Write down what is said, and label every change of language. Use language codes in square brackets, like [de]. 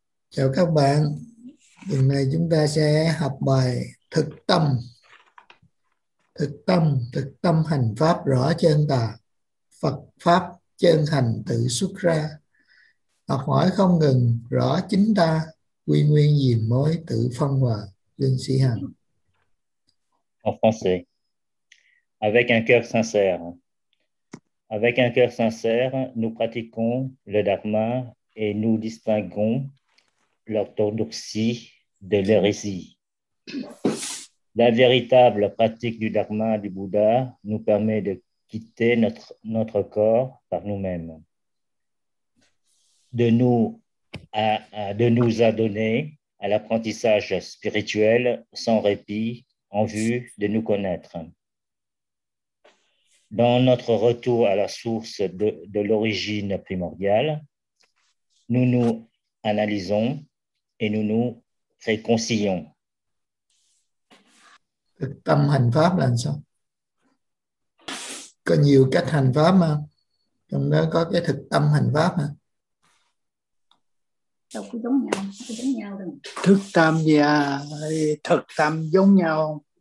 [vi] Chào các bạn, lần này chúng ta sẽ học bài thực tâm. Thực tâm hành pháp rõ chân tà, Phật pháp chân hành tự xuất ra. Học hỏi không ngừng rõ chính ta, quy nguyên diềm mối tự phân hòa, Dương Sĩ Hằng. [fr] En français, avec un cœur sincère. Avec un cœur sincère, nous pratiquons le dharma et nous distinguons l'orthodoxie de l'hérésie. La véritable pratique du dharma du Bouddha nous permet de quitter notre corps par nous-mêmes, de nous adonner à l'apprentissage spirituel sans répit, en vue de nous connaître. Dans notre retour à la source de l'origine primordiale, nous nous analysons et nous nous réconcilions. [vi] Thực tâm hành pháp là sao? Có nhiều cách hành pháp mà, trong đó có cái thực tâm hành pháp mà. Đâu có giống nhau, có giống nhau đâu. Thức tâm và thực tâm giống nhau.